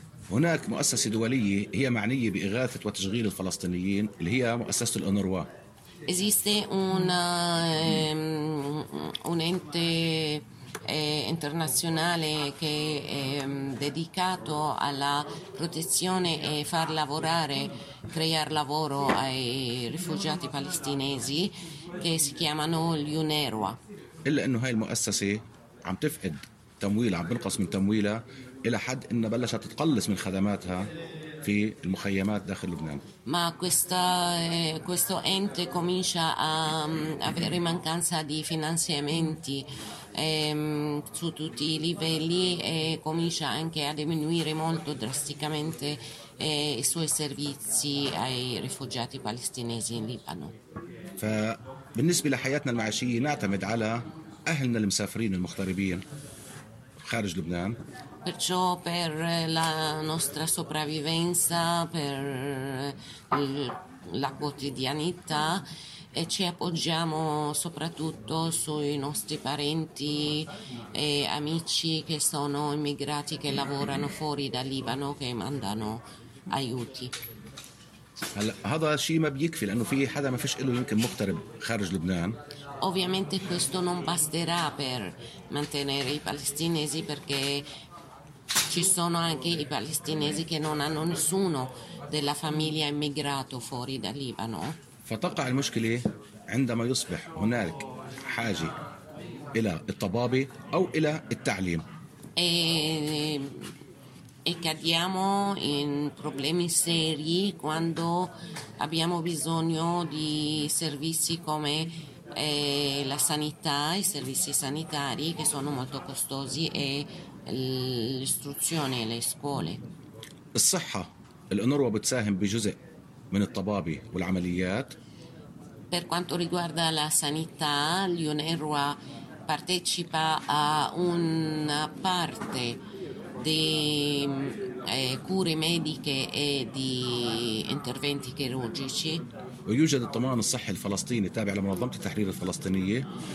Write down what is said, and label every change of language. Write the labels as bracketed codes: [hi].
[ar] هناك مؤسسة دولية هي معنية بإغاثة وتشغيل الفلسطينيين اللي هي مؤسسة الأونروا. [it] Esiste un ente internazionale che è dedicato alla protezione e far lavorare, creare lavoro ai rifugiati palestinesi che si chiamano UNRWA. [ar] إلا إنه هاي المؤسسة عم تفقد تمويلها عم بنقص من تمويلها إلى حد إنها بلشت تتقلص من خدماتها في المخيمات داخل لبنان. [it] ما questa questo ente comincia a avere mancanza di finanziamenti su tutti i livelli e comincia anche a diminuire molto drasticamente i suoi servizi ai rifugiati palestinesi in Libano. [ar] بالنسبة لحياتنا المعيشية نعتمد على أهلنا المسافرين المغتربين خارج لبنان. [it] Perciò per la nostra sopravvivenza, per la quotidianità, e ci appoggiamo soprattutto sui nostri parenti e amici che sono immigrati che lavorano fuori dal Libano che mandano aiuti. [ar] هلا هذا شيء ما بيكفي لأنه في حدا ما فيش إله يمكن مغترب خارج لبنان. [it] Ovviamente questo non basterà per mantenere i palestinesi perché ci sono anche i palestinesi che non hanno nessuno della famiglia immigrato fuori da Libano. [ar] فتقع المشكلة عندما يصبح هناك حاجة إلى الطبابة أو إلى التعليم. [it] E cadiamo in problemi seri quando abbiamo bisogno di servizi come la sanità, i servizi sanitari che sono molto costosi e l'istruzione, le scuole. [ar] الصحة الأنروا بتساهم بجزء من الطبابي والعمليات. [it] Per quanto riguarda la sanità, l'UNRWA partecipa a una parte di cure mediche e di interventi chirurgici. [ar] ويوجد الطمأن الصحي الفلسطيني تابع لمنظمة التحرير الفلسطينية.